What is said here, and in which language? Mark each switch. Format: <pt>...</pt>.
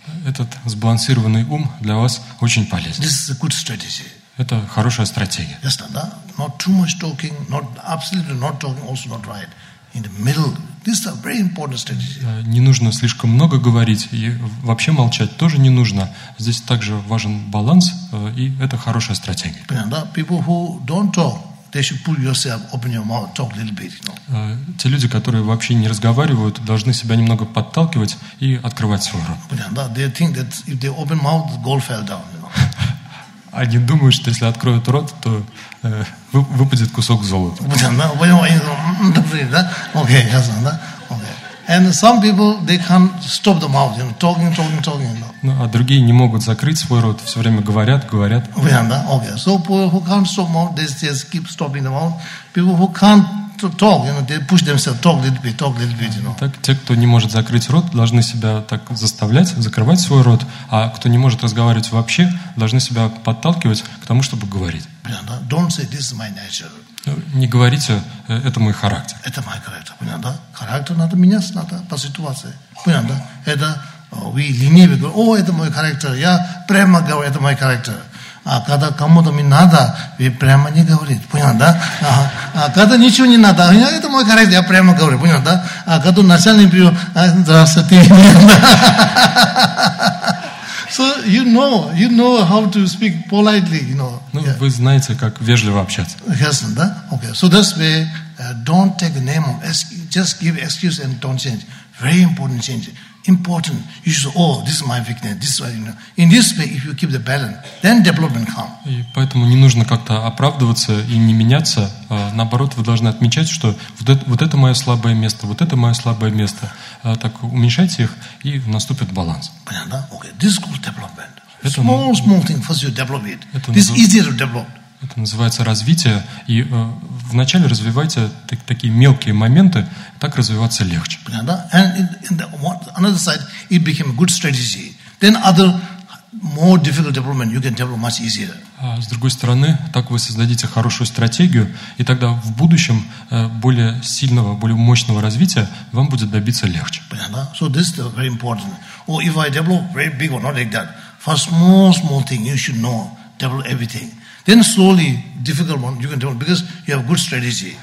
<ru>Этот сбалансированный ум для вас очень полезен.</ru> <en>This is a good strategy.</en> <ru>Это хорошая стратегия. Yes, да?</ru> <en>Not too much talking, not absolutely not talking, also not right. In the middle. This is a very important strategy.</en> <ru>Не нужно слишком много говорить, и вообще молчать тоже не нужно. Здесь также важен баланс, и это хорошая стратегия. Понятно, да?</ru> <en>People who don't talk, they should pull yourself, open your mouth, talk a little bit, you know.</en> <ru>Те люди, которые вообще не разговаривают, должны себя немного подталкивать и открывать свой рот. Понятно, да?</ru> <en>They think that if they open mouth, the goal fell down, you know.</en> <ru>Они думают, что если откроют рот, то выпадет кусок золота. Okay, да?</ru> <en>And some people they can't stop the mouth, you know, talking.</en> <ru>Ну, а другие не могут закрыть свой рот, все время говорят. Понятно, да?</ru> <en>Okay. So people who can't stop mouth, they just keep stopping the mouth. People who can't talk, you know, they push themselves, talk a little bit, you know.</en> <ru>Так, те, кто не может закрыть рот, должны себя так заставлять, закрывать свой рот, а кто не может разговаривать вообще, должны себя подталкивать к тому, чтобы говорить.</ru> <en>Yeah, don't say, this is my nature.</en> <ru>Не говорите, это мой характер. Это мой характер, понятно, да? Характер надо менять, надо по ситуации, понятно, да? Это вы ленивый, говорите, о, это мой характер, я прямо говорю, это мой характер. А когда кому-то мне надо, вы прямо не говорите, понятно, да? А когда ничего не надо, я, это мой характер, я прямо говорю, понятно, да? А когда начальник пьет, здравствуйте,</ru> <en>so you know how to speak politely, you know. Ну, yeah.</en> <ru>Вы знаете, как вежливо общаться. Ясно, да? Okay.</ru> <en>So that's why don't take the name of, just give excuse and don't change. Very important change. Important. You should say, oh, this is my weakness. This is what, you know. In this way, if you keep the balance, then development comes.</en> <ru>И поэтому не нужно как-то оправдываться и не меняться. Наоборот, вы должны отмечать, что вот это мое слабое место, вот это мое слабое место. Так уменьшайте их, и наступит баланс. Понятно, да?</ru> <en>Okay. This is called development. Это small thing for you to develop it. This is easier to develop.</en> <ru>Это называется развитие. И вначале развивайте такие мелкие моменты, так развиваться легче. Понятно, да?</ru> <en>And in the another side, it became a good strategy. Then other more difficult development, you can develop much easier.</en> <ru>С другой стороны, так вы создадите хорошую стратегию, и тогда в будущем более сильного, более мощного развития вам будет добиться легче. Понятно, да?</ru> <en>So this is very important. Or if I develop very big or not like that, for small thing, you should know, develop everything. Then slowly, difficult one, you can develop, because you have good strategy.</en>